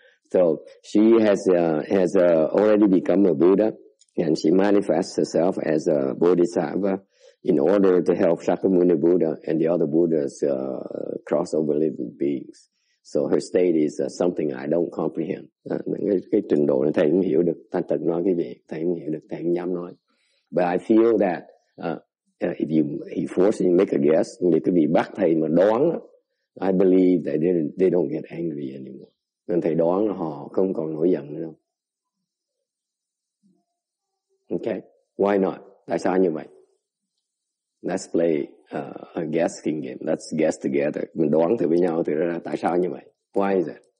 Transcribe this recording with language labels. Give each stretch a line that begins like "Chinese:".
English: So she has already become a Buddha and she manifests herself as a Bodhisattva in order to help Shakyamuni Buddha and the other Buddhas cross over living beings. So her state is something I don't comprehend.
Vietnamese: Cái trình độ này thầy không hiểu được. Thành thật nói cái việc thầy không hiểu được, thầy không dám nói.
English: But I feel that if you force me to make a guess,
Vietnamese: nếu cái vị bắt thầy mà đoán,
English: I believe that they don't get angry anymore.
Vietnamese: Nên thầy đoán họ không còn nổi giận nữa đâu.
English: Okay, why not?
Vietnamese: Tại sao như vậy?
English: Let's play a guessing game. Let's guess together.
Vietnamese: Mình đoán thử với nhau thử ra tại sao như vậy.
English: Why is it?